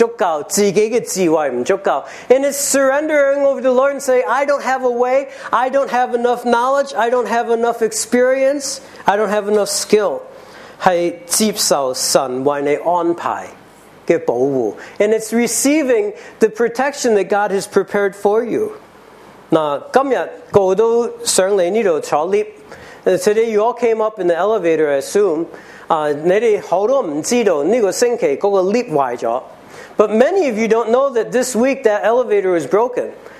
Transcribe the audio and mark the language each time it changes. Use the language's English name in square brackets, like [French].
[Chinese] 是放弃自己，承认自己没办法，自己的能力是不足够，自己的智慧不足够. [English] And it's surrendering over the Lord and say, I don't have a way, I don't have enough knowledge, I don't have enough experience, I don't have enough skill. [Chinese] 是接受神为你安排的保护. [English] And it's receiving the protection that God has prepared for you. [Chinese] 那今天我都想来这里坐lift。 [English] Today you all came up in the elevator, I assume. [Chinese] 你们很多人不知道这个星期那个lift坏了. [English] But many of you don't know that this week that elevator was broken.